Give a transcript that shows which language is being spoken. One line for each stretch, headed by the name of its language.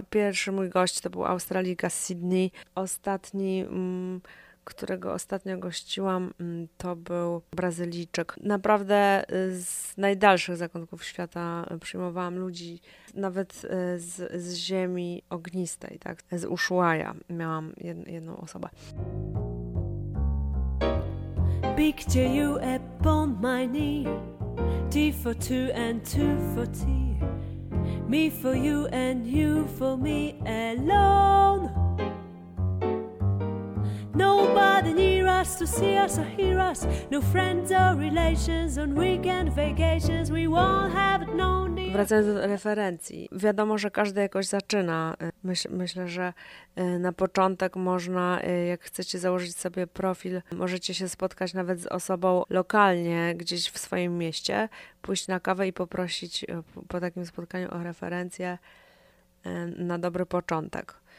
Polish: Pierwszy mój gość to był Australijka z Sydney. Ostatni, którego ostatnio gościłam, to był Brazylijczyk. Naprawdę z najdalszych zakątków świata przyjmowałam ludzi, nawet z ziemi ognistej, tak? Z Ushuaia miałam jedną osobę.
English: Big to you upon my knee, tea for two and two for tea, me for you and you for me alone. Nobody near us to see us or hear us. No friends or relations on weekend vacations. We won't have it known.
Polish: Wracając do referencji, wiadomo, że każdy jakoś zaczyna. Myślę, że na początek można, jak chcecie założyć sobie profil, możecie się spotkać nawet z osobą lokalnie, gdzieś w swoim mieście, pójść na kawę i poprosić po takim spotkaniu o referencję na dobry początek.